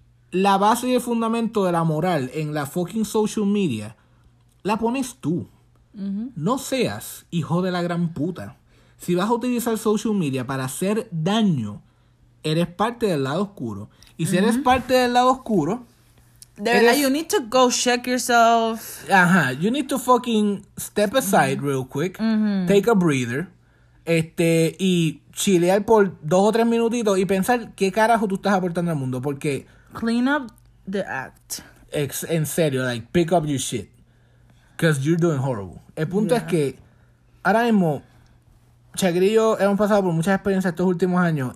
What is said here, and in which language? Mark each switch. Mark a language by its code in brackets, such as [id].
[es] La base y el fundamento de la moral en la fucking social media la pones tú. Uh-huh. No seas hijo de la gran puta. Si vas a utilizar social media para hacer daño, eres parte del lado oscuro. Y si eres parte del lado oscuro... De verdad, [en] you need to go check yourself. Ajá, you need to fucking step aside real quick. Uh-huh. Take a breather. [es] Y chilear por 2 o 3 minutitos y pensar qué carajo tú estás aportando al mundo. Porque... [en] Clean up the act. [es] En serio, [en] like, pick up your shit. Because you're doing horrible. [es] El punto es que, ahora mismo, Shakira y yo hemos pasado por muchas experiencias estos últimos años.